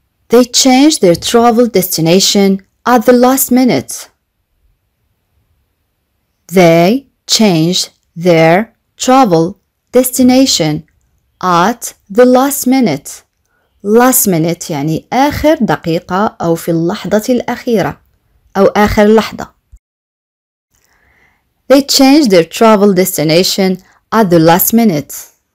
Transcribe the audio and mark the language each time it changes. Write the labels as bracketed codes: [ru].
[en] They changed their travel destination at the last minute. They changed their travel destination at the last minute. Last minute [ar] يعني آخر دقيقة أو في اللحظة الأخيرة. أو آخر لحظة. [en] They changed their travel destination at the last minute.